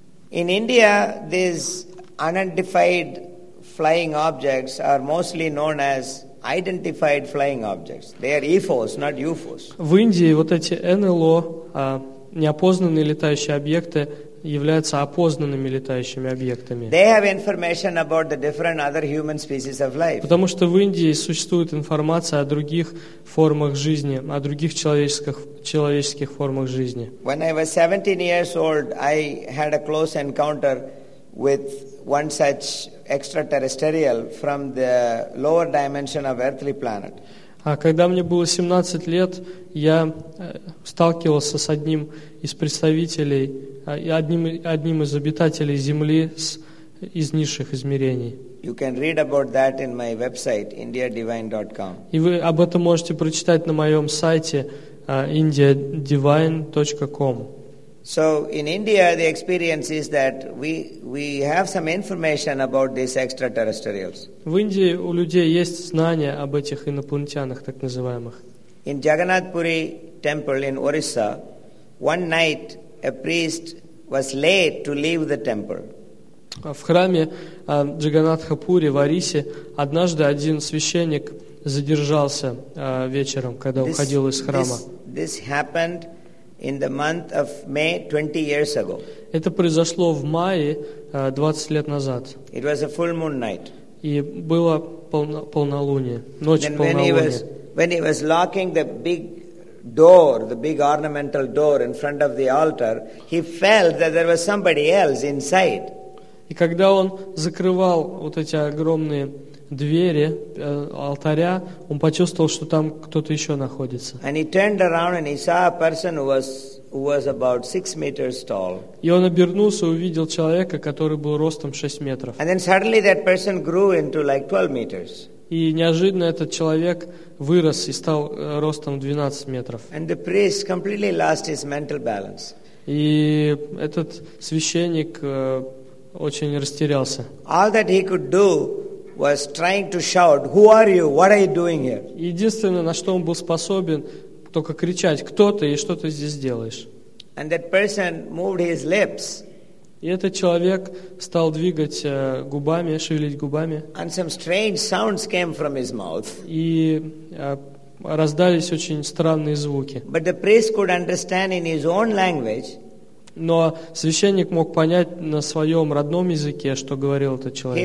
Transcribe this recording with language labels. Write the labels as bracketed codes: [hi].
[en] In India, these unidentified flying objects are mostly known as identified flying objects. They are EFOs, not UFOs. [ru] В Индии вот эти НЛО, неопознанные летающие объекты, являются опознанными летающими объектами. [en] They have information about the different other human species of life. [ru] Потому что в Индии существует информация о других формах жизни, о других человеческих формах жизни. [en] When I was 17 years old, I had a close encounter with one such extraterrestrial from the lower dimension of earthly planet. [ru] А когда мне было 17 лет, я сталкивался с одним из представителей, одним из обитателей Земли из низших измерений. [en] You can read about that in my website, indiadivine.com. [ru] И вы об этом можете прочитать на моем сайте indiadivine.com. [en] So in India the experience is that we have some information about these extraterrestrials. [ru] В Индии у людей есть знания об этих инопланетянах, так называемых. [en] In Jagannath Puri temple in Orissa, one night a priest was late to leave the temple. [ru] В храме Джаганнатха Пури в Орисе однажды один священник задержался вечером, когда уходил из храма. [en] This happened in the month of May 20 years ago. [ru] Это произошло в мае 20 лет назад. [en] It was a full moon night. [ru] И было полнолуние, ночь полнолуния. [en] When he was locking the big door, the big ornamental door in front of the altar, he felt that there was somebody else inside. [ru] И когда он закрывал вот эти огромные двери алтаря, он почувствовал, что там кто-то еще находится. [en] And he turned around and he saw a person who was about 6 meters tall. [ru] И он обернулся и увидел человека, который был ростом 6 метров. [en] And then suddenly that person grew into like 12 meters. [ru] И неожиданно этот человек вырос и стал ростом 12 метров. [en] And the priest completely lost his mental balance. [ru] И этот священник очень растерялся. [en] All that he could do was trying to shout, "Who are you? What are you doing here?" [ru] Единственное, на что он был способен, только кричать: "Кто ты и что ты здесь делаешь?" [en] And that person moved his lips. [ru] И этот человек стал двигать губами, шевелить губами. [en] And some strange sounds came from his mouth. [ru] И раздались очень странные звуки. [en] But the priest could understand in his own language. [ru] Но священник мог понять на своем родном языке, что говорил этот человек.